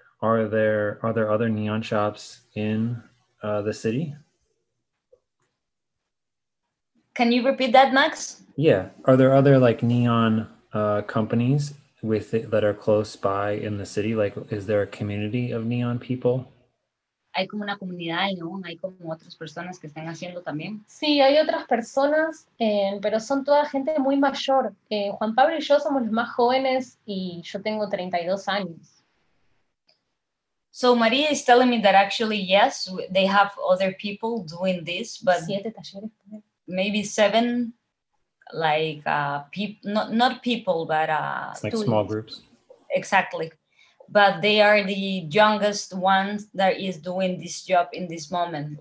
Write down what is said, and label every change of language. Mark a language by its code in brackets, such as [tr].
[en] Are there other neon shops in the city? Can you repeat that, Max? Yeah. Are there other like neon companies that are close by in the city? Like, is there a community of neon people? [es] Hay como una comunidad de neón, hay como otras personas que están haciendo también. Sí, hay otras personas, pero son toda gente muy mayor. Juan Pablo y yo somos los más jóvenes y yo tengo 32 años. [en] So Maria is telling me that actually, yes, they have other people doing this, but [es] 7 talleres. [en] Maybe 7, like, not people, but... It's like small groups. Exactly. But they are the youngest ones that is doing this job in this moment.